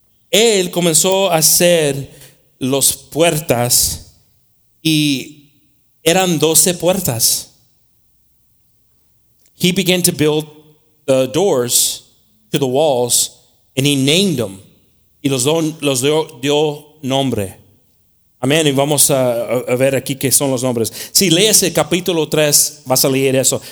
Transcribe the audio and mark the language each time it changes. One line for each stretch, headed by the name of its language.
Spanish: Él comenzó a hacer las puertas y eran 12 puertas.
English: He began to build the doors to the walls and he named them.
Spanish: Y los dio nombre. Amén. Y vamos a ver aquí qué son los nombres. Si lees el capítulo 3, vas a leer eso.